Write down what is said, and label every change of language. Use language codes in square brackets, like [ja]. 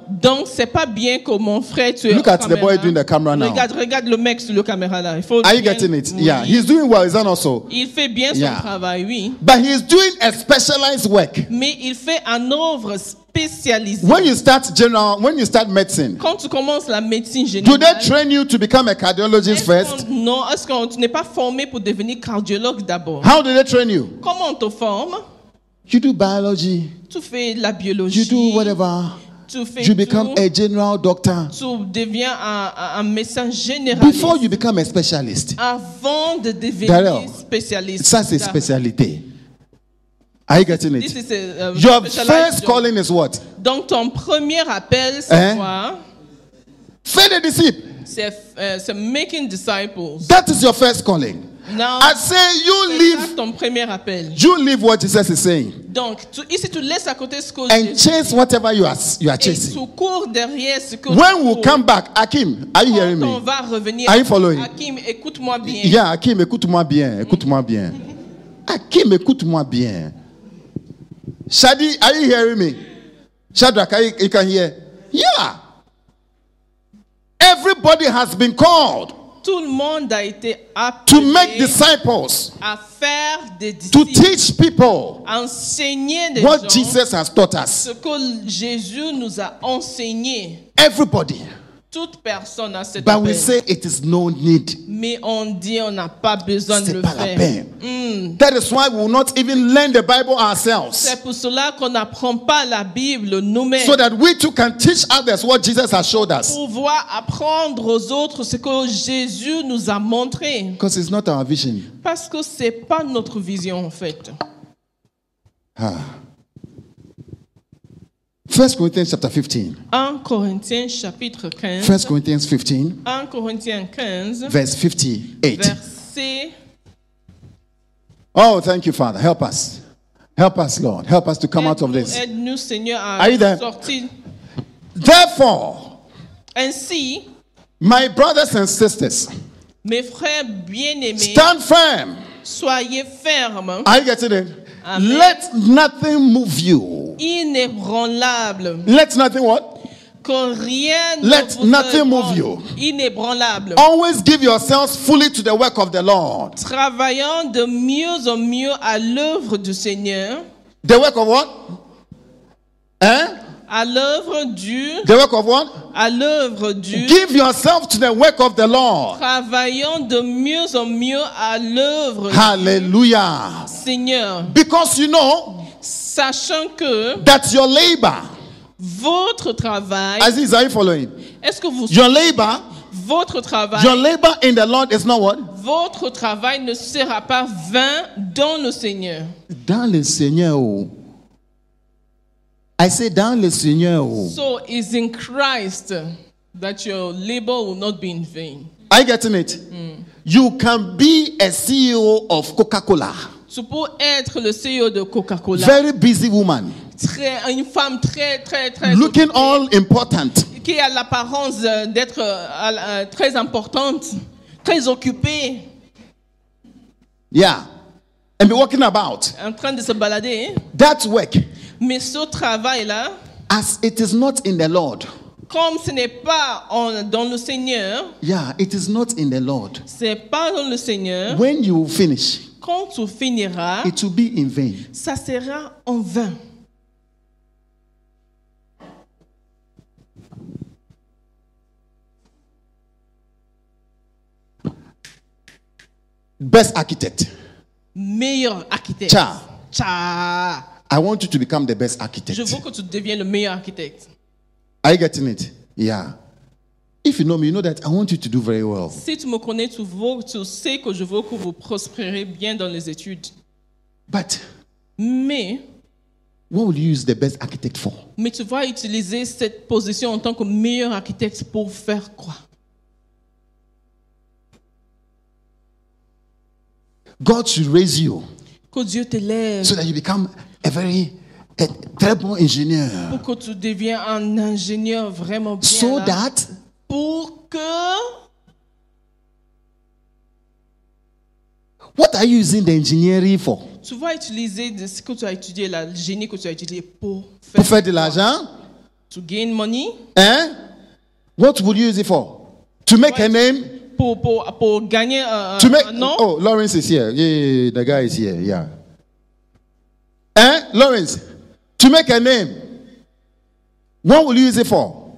[fr] Donc c'est pas bien que mon frère tu. [en] Look at the boy doing the camera now. [fr] Regarde le mec sur le caméra là. Il faut. [en] Are you getting it? Yeah, he's doing well. Is that not so? [fr] Il fait bien son travail, oui. [en] But he's doing a specialized work. [fr] Mais il fait un œuvre. [en] When you start general, when you start medicine, [fr] quand tu commences la médecine générale, [en] do they train you to become a cardiologist first? [fr] Non, est-ce que tu n'es pas formé pour devenir cardiologue d'abord? [en] How do they train you? [fr] Comment on te forme? [en] You do biology. [fr] Tu fais la biologie. [en] You do whatever. [fr] Tu fais [en] you become [fr] tout. [en] A general doctor. [fr] Tu deviens un médecin généraliste. [en] Before you become a specialist. [fr] Avant de devenir Darryl, spécialiste. Ça c'est spécialité. [en] Are you getting it? This is a your first calling is what? [fr] Donc ton premier appel c'est hein? Quoi? Faire des disciples. C'est making disciples. [en] That is your first calling. Now I say you leave [fr] ton premier appel. [en] You leave what Jesus is saying. [fr] Donc tu, ici tu laisses à côté ce que [en] and chase whatever you are chasing. [fr] Et tu cours derrière ce que [en] when [fr] tu [en] we come back, Hakim, are you [fr] quand [en] hearing [fr] on [en] me? [fr] On va revenir. [en] Are you following? [fr] Hakim, écoute-moi bien. Yeah, Hakim, écoute-moi bien. Écoute-moi bien. Hakim, écoute-moi bien. [en] Shadi, are you hearing me? Shadrach, you can hear? Yeah. Everybody has been called. [fr] Tout le monde a été appelé [en] to make disciples. [fr] À faire des disciples. [en] To teach people. [fr] Enseigner des [en] what [fr] gens [en] Jesus has taught us. [fr] Ce que Jésus nous a enseigné. [en] Everybody. [fr] Toute personne a cet [en] appel. But we say it is no need. [fr] Mais on dit on n'a pas besoin c'est de pas le faire. La peine. [en] That is why we will not even learn the Bible ourselves. [fr] C'est pour cela qu'on n'apprend pas la Bible nous-mêmes. [en] So that we too can teach others what Jesus has showed us. [fr] Pouvoir apprendre aux autres ce que Jésus nous a montré. [en] Because it's not our vision. [fr] Parce que ce n'est pas notre vision en fait. Ah. [en] 1 Corinthians chapter 15. [fr] 1 Corinthians chapitre 15. [en] 1 Corinthians 15. 1 Corinthians 15. Verse 58. [fr] Verset. [en] Oh, thank you, Father. Help us. Help us, Lord. Help us to come [fr] aide-nous, [en] out of this. [fr] Aide-nous, Seigneur, à [en] are you there? [fr] Sortir. [en] Therefore, and see, my brothers and sisters, [fr] mes frères bien-aimés, [en] stand firm. [fr] Soyez ferme. [en] Are you getting it? Let nothing move you. [fr] Inébranlable. [en] Let nothing what? [fr] Que rien ne [en] let [fr] vous [en] nothing move you. [fr] Inébranlable. [en] Always give yourselves fully to the work of the Lord. [fr] Travaillant de mieux en mieux à l'œuvre du Seigneur. [en] The work of what? Hein? [fr] À l'œuvre du. [en] The work of what? [fr] À l'œuvre du. [en] Give yourself to the work of the Lord. [fr] Travaillant de mieux en mieux à l'œuvre. [en] Hallelujah. [fr] Seigneur. [en] Because you know. [fr] Sachant que [en] that your labor, [fr] votre travail, [en] Aziz, are you following? [fr] Est-ce que vous [en] your labor, [fr] votre travail, [en] your labor in the Lord is not what? [fr] Votre travail ne sera pas vain dans le Seigneur. Dans le Seigneur, [en] I say [fr] dans le Seigneur. [en] So it's in Christ that your labor will not be in vain. Are you getting it? You can be a CEO of Coca-Cola. [fr] Tu peux être le CEO de Coca-Cola. [en] Very busy woman. [fr] Très, une femme très, très, très. [en] Looking all important. [fr] Qui a l'apparence d'être très importante, très occupée. [en] Yeah. And be walking about. [fr] En train de se balader. [en] That work. [fr] Mais ce travail-là. [en] As it is not in the Lord. [fr] comme ce n'est pas en, dans le Seigneur, [en] yeah, it is not in the Lord. [fr] C'est pas dans le Seigneur. [en] When you finish, [fr] quand tu finiras, [en] it will be in vain. [fr] Ça sera en vain. [en] Best architect. [fr] Meilleur architecte. Cha. Cha. [en] I want you to become the best architect. [fr] Je veux que tu deviennes le meilleur architecte. [en] Are you getting it? Yeah. If you know me, you know that I want you to do very well. [fr] Si tu me connais, tu sais que je veux que vous prospérez bien dans les études. [en] But. [fr] Mais. [en] What will you use the best architect for? [fr] Mais tu vas utiliser cette position en tant que meilleur architecte pour faire quoi? [en] God should raise you. [fr] Que Dieu te lève. [en] So that you become a very. [fr] A très bon ingénieur. Pour que tu deviennes un ingénieur vraiment bien. [en] So [fr] là. [en] That. [fr] Pour que. [en] What are you using the engineering for? [fr] Tu vas utiliser ce que tu as étudié, la génie que tu as étudié pour faire. Pour faire de l'argent. [en] To gain money. [fr] Hein? [en] What would you use it for? To make a name. [fr] Pour gagner [en] to make, [fr] un nom. [en] Oh, Lawrence is here. Yeah, the guy is here. Yeah. Hein? Lawrence. To make a name, what will you use it for?